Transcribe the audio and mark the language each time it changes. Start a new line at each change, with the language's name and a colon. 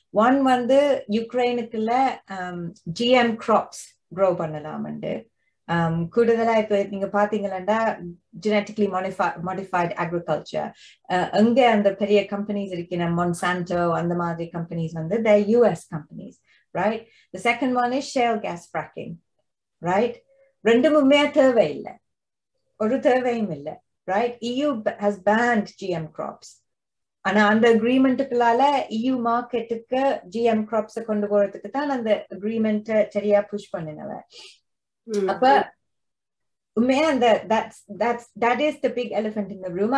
Tamil: One வந்து யுக்ரைனுக்குள்ள GM crops grow பண்ணலாமண்டு, கூடுதலா இப்ப நீங்க பாத்தீங்கன்னா ஜெனட்டிக்லி மாடிஃபைட் அக்ரிகல்ச்சர் அங்க அந்த பெரிய கம்பெனிஸ் இருக்கிற மொன்சாண்டோ அந்த மாதிரி கம்பெனிஸ் வந்து தே US companies.
English: Right? The second one is shale gas fracking.
Tamil: Right? ரெண்டுமுமே தேவை இல்லை. ஒரு தேவையும் இல்லை. Right?
English: EU has banned GM crops.
Tamil: ஆனால் அந்த அக்ரிமெண்ட்டுக்குள்ளால EU மார்க்கெட்டுக்கு GM crops கொண்டு போறதுக்கு தான் அந்த அக்ரிமெண்ட் சரியா புஷ் பண்ணினவை. அப்ப உண்மையா அந்த
English: that is the big elephant in the room.